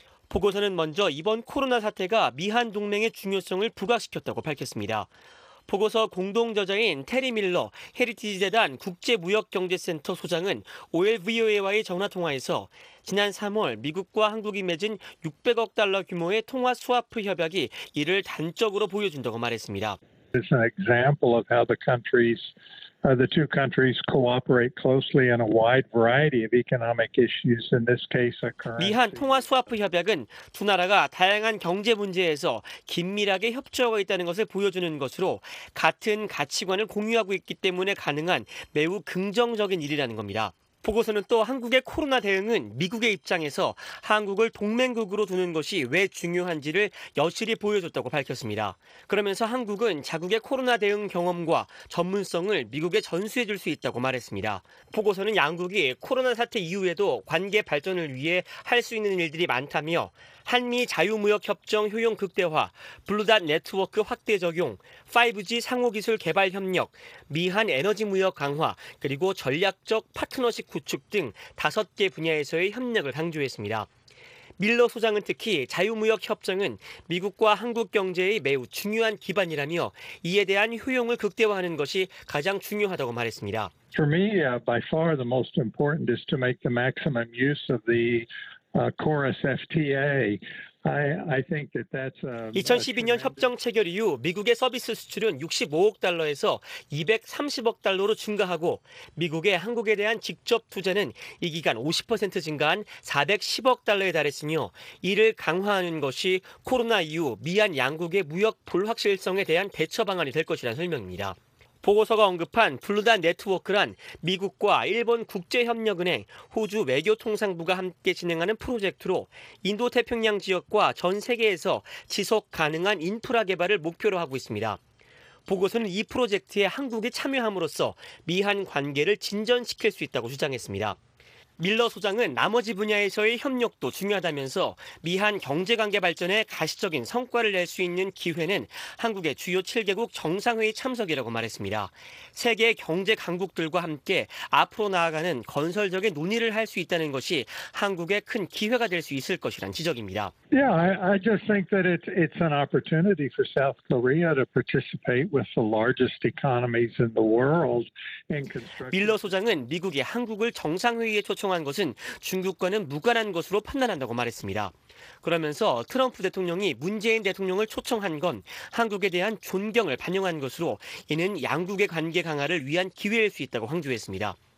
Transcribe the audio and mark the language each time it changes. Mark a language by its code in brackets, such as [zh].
[ko] 보고서는 먼저 이번 코로나 사태가 미한 동맹의 중요성을 부각시켰다고 밝혔습니다. 보고서 공동저자인 테리 밀러, 헤리티지 재단 국제무역경제센터 소장은 OLVOA와의 전화통화에서 지난 3월 미국과 한국이 맺은 600억 달러 규모의 통화 스와프 협약이 이를 단적으로 보여준다고 말했습니다. [en] It's an example of how the countries, the two countries cooperate closely in a wide variety of economic issues. In this case, a currency. [ko] 미한 통화 스와프 협약은 두 나라가 다양한 경제 문제에서 긴밀하게 협조하고 있다는 것을 보여주는 것으로 같은 가치관을 공유하고 있기 때문에 가능한 매우 긍정적인 일이라는 겁니다. 보고서는 또 한국의 코로나 대응은 미국의 입장에서 한국을 동맹국으로 두는 것이 왜 중요한지를 여실히 보여줬다고 밝혔습니다. 그러면서 한국은 자국의 코로나 대응 경험과 전문성을 미국에 전수해 줄 수 있다고 말했습니다. 보고서는 양국이 코로나 사태 이후에도 관계 발전을 위해 할 수 있는 일들이 많다며 한미 자유무역협정 효용 극대화, 블루닷 네트워크 확대 적용, 5G 상호기술 개발 협력, 미한 에너지 무역 강화, 그리고 전략적 파트너십 구축 등 다섯 개 분야에서의 협력을 강조했습니다. 밀러 소장은 특히 자유무역협정은 미국과 한국 경제의 매우 중요한 기반이라며 이에 대한 효용을 극대화하는 것이 가장 중요하다고 말했습니다. [en] For me, by far the most important is to make the maximum use of the Chorus FTA. I think that that's a [ko] 2012년 협정 체결 이후 미국의 서비스 수출은 65억 달러에서 230억 달러로 증가하고 미국의 한국에 대한 직접 투자는 이 기간 50% 증가한 410억 달러에 달했으며 이를 강화하는 것이 코로나 이후 미한 양국의 무역 불확실성에 대한 대처 방안이 될 것이라는 설명입니다. 보고서가 언급한 블루단 네트워크란 미국과 일본 국제협력은행, 호주 외교통상부가 함께 진행하는 프로젝트로 인도태평양 지역과 전 세계에서 지속 가능한 인프라 개발을 목표로 하고 있습니다. 보고서는 이 프로젝트에 한국이 참여함으로써 미한 관계를 진전시킬 수 있다고 주장했습니다. 밀러 소장은 나머지 분야에서의 협력도 중요하다면서 미한 경제관계 발전에 가시적인 성과를 낼 수 있는 기회는 한국의 주요 7개국 정상회의 참석이라고 말했습니다. 세계 경제 강국들과 함께 앞으로 나아가는 건설적인 논의를 할 수 있다는 것이 한국의 큰 기회가 될 수 있을 것이란 지적입니다. [en] Yeah, I just think that it's an opportunity for South Korea to participate with the largest economies in the world in construction. [ko] 밀러 소장은 미국이 한국을 정상회의에 초청한 것은 중국과는 무관한 것으로 판단한다고 말했습니다. 그러면서 트럼프 대통령이 문재인 대통령을 초청한 건 한국에 대한 존경을 반영한 것으로 이는 양국의 관계 강화를 위한 기회일 수 있다고 강조했습니다.